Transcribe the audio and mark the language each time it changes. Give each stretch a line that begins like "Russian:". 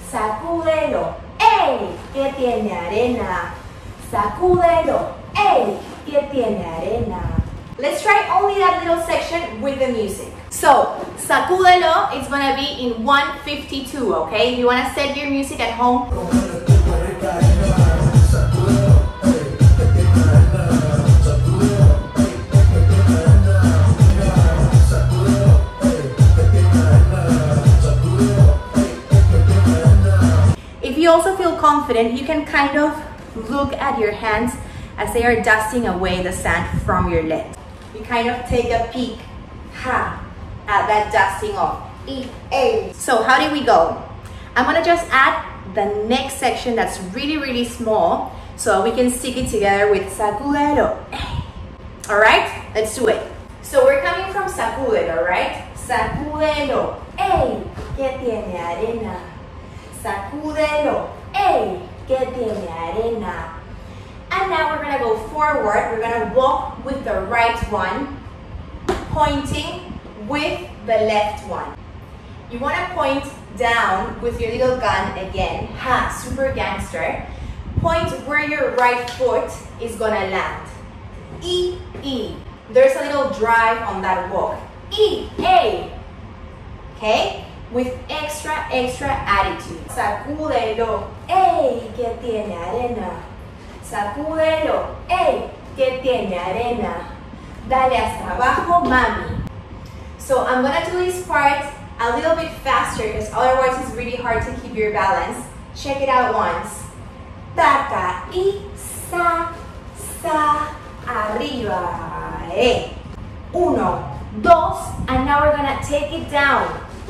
Spanish: Sacúdelo, ey, que tiene arena. Sacúdelo, ey, que tiene arena.
English: Let's try only that little section with the music. So, sacúdelo is gonna be in 1/52, okay? You wanna set your music at home. If you also feel confident, you can kind of look at your hands as they are dusting away the sand from your legs. You kind of take a peek, ha, at that dusting off. E, A. So how did we go? I'm gonna just add the next section that's really, really small so we can stick it together with sacúdelo. All right, let's do it. So we're coming from sacúdelo, right?
Spanish: Sacúdelo, ey, que tiene arena. Sacúdelo, ey, que tiene arena.
English: And now we're gonna go forward. We're gonna walk with the right one, pointing with the left one. You wanna point down with your little gun again. Ha, super gangster. Point where your right foot is gonna land. E, E. There's a little drive on that walk. E, A. Okay? with extra, extra attitude.
Spanish: Sacúdelo, ey, que tiene arena. Sacúdelo, ey, que tiene arena. Dale hasta abajo, mami.
English: So I'm gonna do these parts a little bit faster because otherwise it's really hard to keep your balance. Check it out once.
Spanish: Taca y sa, sa, arriba, ey. Uno, dos,
English: and now we're gonna take it down.